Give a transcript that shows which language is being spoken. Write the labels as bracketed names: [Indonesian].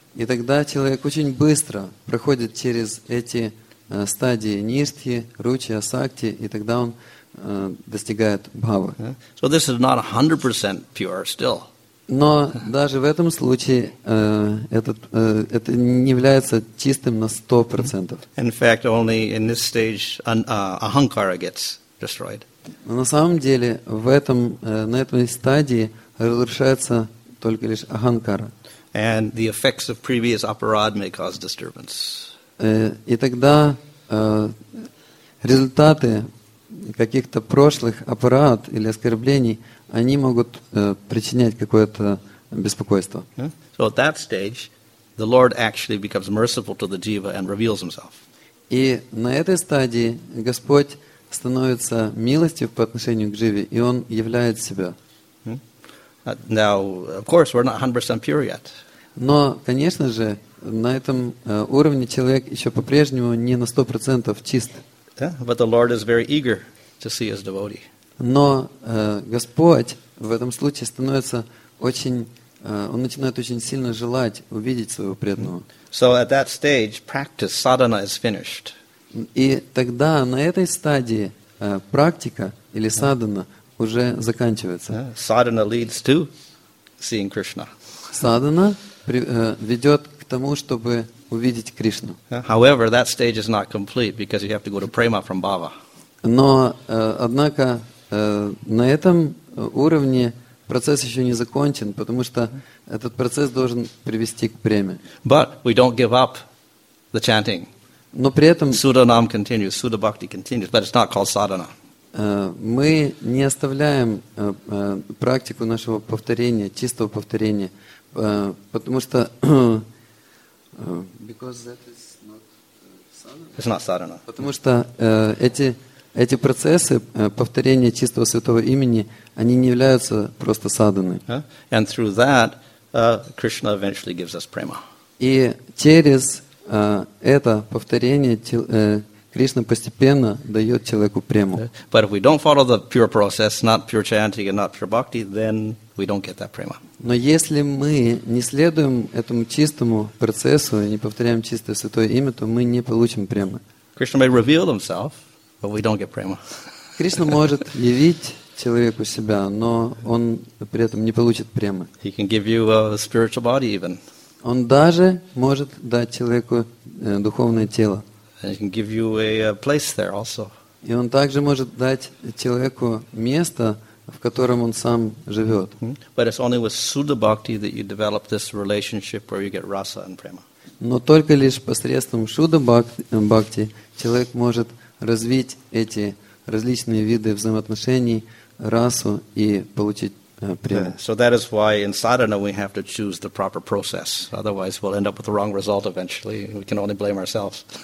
[Russian] И тогда человек очень быстро проходит через эти стадии ништхи, ручи, асакти, и тогда он достигает бхавы. [English] Yeah. So this is not 100% pure still. [Russian] Но даже в этом случае это не является чистым на 100%. [English] In fact, only in this stage ahankara gets destroyed. [Russian] На самом деле, на этой стадии разрушается только лишь аханкара. [English] And the effects of previous aparad may cause disturbance. [Russian] И тогда результаты каких-то прошлых аппарат или оскорблений, они могут причинять какое-то беспокойство. [English] So at that stage, the Lord actually becomes merciful to the jiva and reveals himself. [Russian] И на этой стадии Господь становится милостив по отношению к живе, и он являет себя. [English] Now, of course, we're not 100% pure yet. [Russian] Но, конечно же, на этом уровне человек еще по-прежнему не на 100% чист. [English] But the Lord is very eager to see his devotee. [Russian] Но Господь в этом случае становится он начинает очень сильно желать увидеть своего преданного. [English] So at that stage, practice sadhana is finished. [Russian] И тогда на этой стадии практика или садхана уже заканчивается. [English] Sadhana leads to seeing Krishna. [Russian] Садхана ведет к тому, чтобы увидеть Кришну. [English] However, that stage is not complete because you have to go to prema from bhava. [Russian] Но однако на этом уровне процесс еще не закончен, потому что этот процесс должен привести к преме. [English] But we don't give up the chanting. [Russian] Но при этом [English] Sudanam continues, Sudha Bhakti continues, but it's not called sadhana. [Russian] Мы не оставляем практику нашего повторения, чистого повторения, потому что [English] because that is not sadhana. It's not sadhana. [Russian] Потому что эти процессы повторения чистого святого имени, они не являются просто садханой. [English] And through that, Krishna eventually gives us prema. [Russian] И через это повторение Кришна постепенно дает человеку прему. [English] But if we don't follow the pure process, not pure chanting and not pure bhakti, then we don't get that prema. [Russian] Но если мы не следуем этому чистому процессу и не повторяем чистое святое имя, то мы не получим премы. [English] Krishna may reveal himself, but we don't get prema. [Russian] Кришна может явить человеку себя, но он при этом не получит премы. [English] He can give you a spiritual body even. [Russian] Он даже может дать человеку духовное тело. [English] And he can give you a place there also. [Russian] И он также может дать человеку место, в котором он сам живет. [English] But it's only with Sudha Bhakti that you develop this relationship where you get rasa and prema. [Russian] Но только лишь посредством Sudha Bhakti человек может развить эти различные виды взаимоотношений, расу и получить. [English] So that is why in sadhana we have to choose the proper process. Otherwise, we'll end up with the wrong result eventually. We can only blame ourselves.